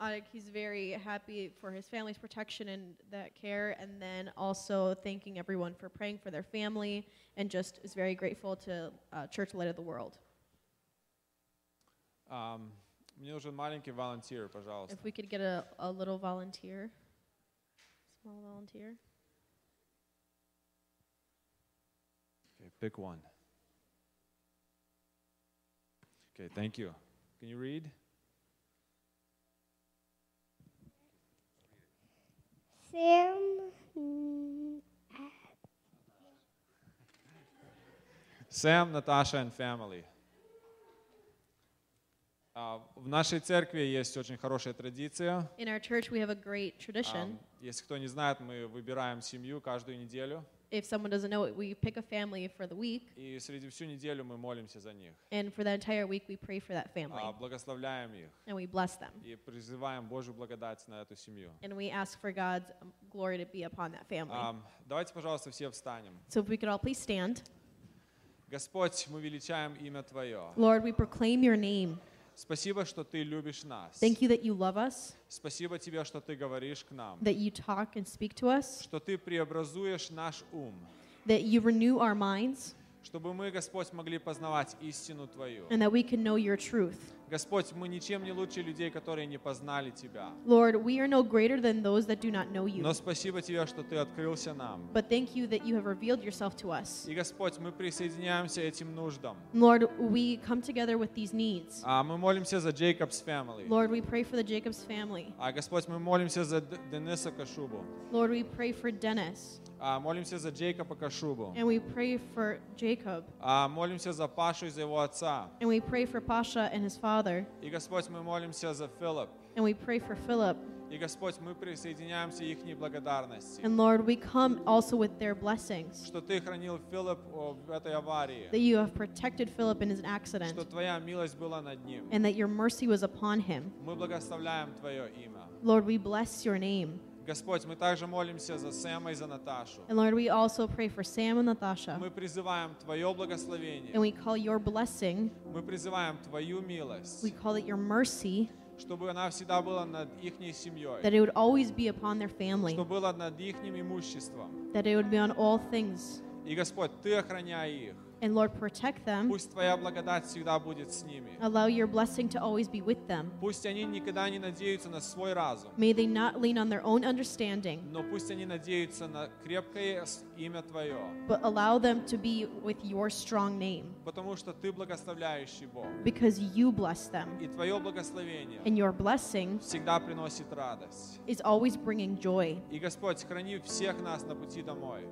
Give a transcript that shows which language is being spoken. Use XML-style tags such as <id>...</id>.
<en>He's very happy for his family's protection and that care, and then also thanking everyone for praying for their family, and just is very grateful to Church Light of the World.</en> <ru>Мне нужен маленький волонтер, пожалуйста.</ru> <en>If we could get a little volunteer, small volunteer. Okay, pick one. Okay, thank you. Can you read? Sam Sam, Natasha and family.</en> <ru>В нашей церкви есть очень хорошая традиция.</ru> <en>In our church we have a great tradition.</en> <ru>Если кто не знает, мы выбираем семью каждую неделю.</ru> <en>If someone doesn't know it, we pick a family for the week.</en> <ru>И среди всю неделю мы молимся за них.</ru> <en>And for the entire week we pray for that family.</en> <ru>Благословляем их.</ru> <en>And we bless them.</en> <ru>И призываем Божью благодать на эту семью.</ru> <en>And we ask for God's glory to be upon that family.</en> <ru>Давайте, пожалуйста, все встанем.</ru> <en>So if we could all please stand.</en> <ru>Господь, мы величаем имя Твое.</ru> <en>Lord, we proclaim your name.</en> <ru>Спасибо, что ты любишь нас.</ru> <en>Thank you that you love us.</en> <ru>Спасибо тебе, что ты говоришь к нам.</ru> <en>That you talk and speak to us.</en> <ru>Что ты преобразуешь наш ум.</ru> <en>That you renew our minds.</en> <ru>Чтобы мы, Господь, могли познавать истину твою.</ru> <en>And that we can know your truth.</en> <ru>Господь, мы ничем не лучше людей, которые не познали тебя.</ru> <en>Lord, we are no greater than those that do not know you.</en> <ru>Но спасибо тебе, что ты открылся нам.</ru> <en>But thank you that you have revealed yourself to us.</en> <ru>И Господь, мы присоединяемся этим нуждам.</ru> <en>Lord, we come together with these needs.</en> <ru>А мы молимся за Jacob's family.</ru> <en>Lord, we pray for the Jacob's family.</en> <ru>А Господь, мы молимся за Дениса Кашубу.</ru> <en>Lord, we pray for Dennis.</en> <ru>А молимся за Джейкоба Кашубу.</ru> <en>And we pray for Jacob.</en> <ru>А молимся за Пашу и за его отца.</ru> <en>And we pray for Pasha and his father.</en> <ru>И Господь, мы молимся за Филипп.</ru> <en>And we pray for Philip.</en> <ru>И Господь, мы присоединяемся к их благодарности.</ru> <en>And Lord, we come also with their blessings.</en> <ru>Что ты хранил Филипп в этой аварии.</ru> <en>That you have protected Philip in his accident.</en> <ru>Что твоя милость была над ним.</ru> <en>And that your mercy was upon him.</en> <ru>Мы благословляем твое имя.</ru> <en>Lord, we bless your name.</en> <ru>Господь, мы также молимся за Сэма и за Наташу.</ru> <en>And Lord, we also pray for Sam and Natasha.</en> <ru>Мы призываем Твое благословение.</ru> <en>And we call your blessing.</en> <ru>Мы призываем Твою милость.</ru> <en>We call it your mercy.</en> <ru>Чтобы она всегда была над их семьей.</ru> <en>That it would always be upon their family.</en> <ru>Чтобы было над их имуществом.</ru> <en>That it would be on all things.</en> <ru>И Господь, Ты охраняй их.</ru> <en>And Lord, protect them.</en> <ru>Пусть Твоя благодать всегда будет с ними.</ru> <en>Allow your blessing to always be with them.</en> <ru>Пусть они никогда не надеются на свой разум.</ru> <en>May they not lean on their own understanding.</en> <ru>Но пусть они надеются на крепкое имя Твое.</ru> <en>But allow them to be with your strong name.</en> <ru>Потому что Ты благословляющий Бог.</ru> <en>Because you bless them.</en> <ru>И Твое благословение.</ru> <en>And your blessing.</en> <ru>Всегда приносит радость.</ru> <en>Is always bringing joy.</en> <ru>И Господь, храни всех нас на пути домой.</ru>